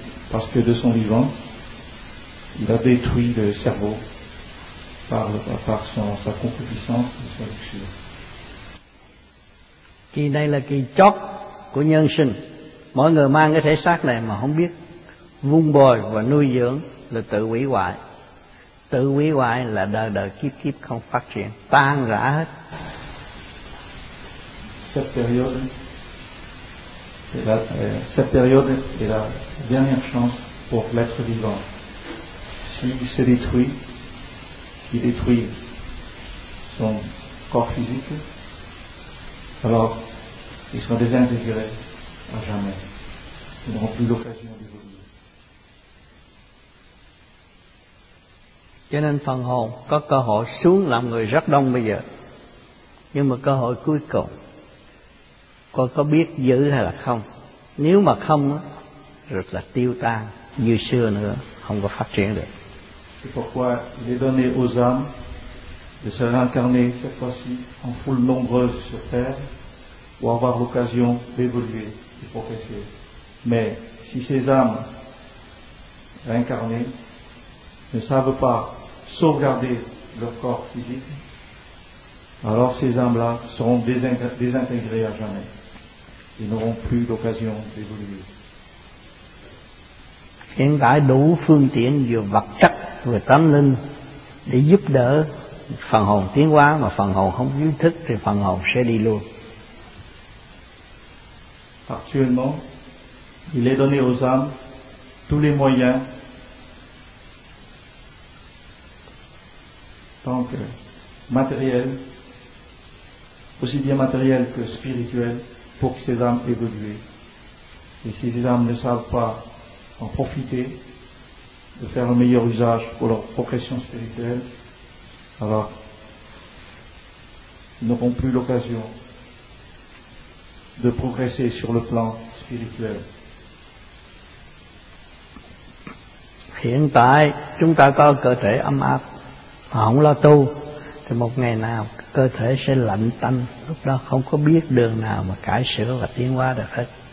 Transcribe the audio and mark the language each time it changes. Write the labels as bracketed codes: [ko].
[fr] Parce que de son vivant, il a détruit le cerveau par sa concupiscence et sa luxure. [vi] Kỳ này là kỳ chót của nhân sinh. Mỗi người mang cái thể xác này mà không biết vun bồi và nuôi dưỡng là tự hủy hoại. Tự hủy hoại là đời đời kiếp kiếp không phát triển, tan rã hết. [fr] Cette période. Et cette période est la dernière chance pour l'être vivant. S'il se détruit, s'il détruit son corps physique, alors il sera désintégré à jamais. Il n'aura plus l'occasion d'évoluer. [vi] Cho nên phần hồn có cơ hội xuống làm người rất đông bây giờ, nhưng mà cơ hội cuối cùng con có biết giữ hay là không. Nếu mà không rất là tiêu tan như xưa nữa, không có phát triển được. [fr] C'est pourquoi il est donné aux âmes de se réincarner cette fois-ci en foule nombreuse sur terre pour avoir l'occasion d'évoluer et progresser. Mais si ces âmes réincarnées ne savent pas sauvegarder leur corps physique, alors ces âmes-là seront désintégrées à jamais. Ils n'auront plus d'occasion d'évoluer. [vi] Hiện tại đủ phương tiện vừa vật chất vừa tâm linh để giúp đỡ phần hồn tiến hóa, mà phần hồn không ý thức thì phần hồn sẽ đi luôn. [fr] Actuellement, il est donné aux âmes tous les moyens donc matériel, aussi bien matériel que spirituel, pour que ces âmes évoluent. Et si ces âmes ne savent pas en profiter, de faire le meilleur usage pour leur progression spirituelle, alors ils n'auront plus l'occasion de progresser sur le plan spirituel. [vi] Hiện tại chúng ta có cơ thể ấm áp, không lo tu, thì một ngày nào cơ thể sẽ lạnh tanh, lúc đó không có biết đường nào mà cải sửa và tiến hóa được hết.